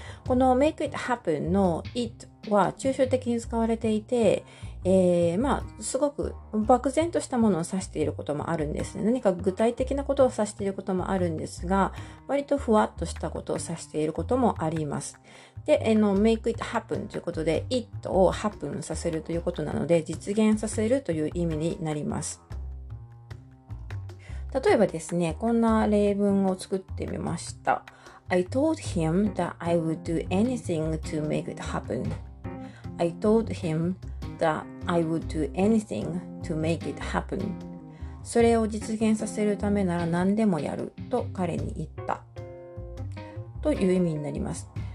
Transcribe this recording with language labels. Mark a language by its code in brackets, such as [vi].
[ja] この [en] make it happen [ja] の it は抽象的に使われていて、すごく漠然としたものを指していることもあるんですね。何か具体的なことを指していることもあるんですが、割とふわっとしたことを指していることもあります。で、 [en] make it happen [ja] ということで it を happen させるということなので、実現させるという意味になります。例えばですね、こんな例文を作ってみました。 [en] I told him that I would do anything to make it happen. I told him that I would do anything to make it happen. [ja] それを実現させるためなら何でもやると彼に言ったという意味になります。